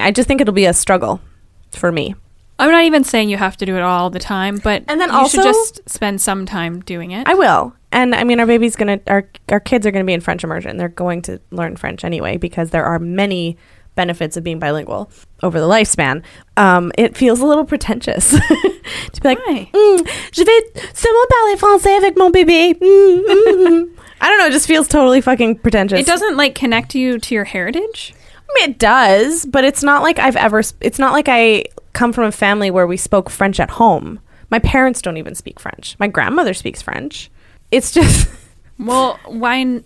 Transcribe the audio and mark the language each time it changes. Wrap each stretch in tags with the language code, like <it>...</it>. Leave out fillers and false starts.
<en>I just think it'll be a struggle for me. I'm not even saying you have to do it all the time, but and then you also, should just spend some time doing it. I will. And I mean, our kids are going to be in French immersion. They're going to learn French anyway, because there are many benefits of being bilingual over the lifespan. It feels a little pretentious to be like,</en> <fr>je vais seulement parler français avec mon bébé.</fr> <en>I don't know. It just feels totally fucking pretentious. It doesn't like connect you to your heritage. I mean, it does, but it's not like I've ever, it's not like I come from a family where we spoke French at home. My parents don't even speak French. My grandmother speaks French. It's just Well, why?</en>